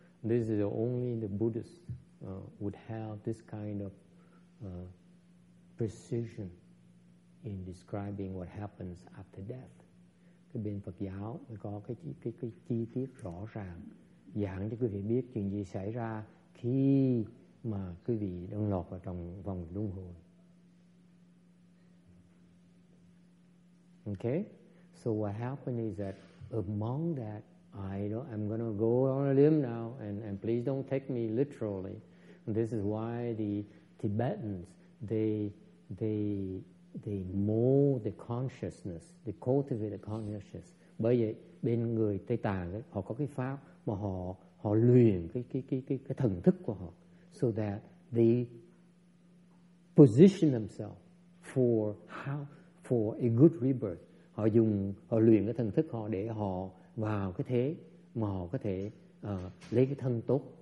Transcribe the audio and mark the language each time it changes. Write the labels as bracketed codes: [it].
[en] This is only the Buddhists would have this kind of precision in describing what happens after death. [vi] Cái bên Phật giáo mới có cái chi tiết rõ ràng giảng cho quý vị biết chuyện gì xảy ra khi mà quý vị đang lọt vào trong vòng luân hồi. [en] Okay? So what happened is that among that, I'm going to go on a limb now and please don't take me literally. And this is why the Tibetans, they mold the consciousness, they cultivate the consciousness. [vi] Bởi vậy bên người Tây Tạng ấy, họ có cái pháp mà họ họ luyện cái thần thức của họ, [en] so that they position themselves for how for a good rebirth. [vi] Họ dùng họ luyện cái thần thức họ để họ vào cái thế mà họ có thể lấy cái thân tốt.